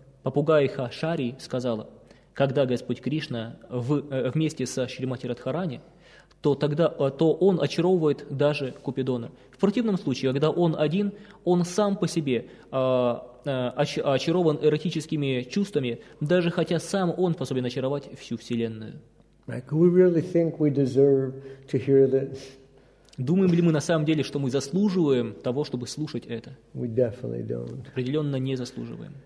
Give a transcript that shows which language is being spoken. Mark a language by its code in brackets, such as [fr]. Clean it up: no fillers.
[ru] Попугайха Шари сказала, когда Господь Кришна вместе со Шримати Радхарани, то он очаровывает даже Купидона. В противном случае, когда он один, он сам по себе очарован эротическими чувствами, даже хотя сам он способен очаровать всю Вселенную. [en] Right. We really think we deserve to hear this. [ru] Думаем ли мы на самом деле, что мы заслуживаем того, чтобы слушать это? [en] We definitely don't. [ru] Определенно не заслуживаем.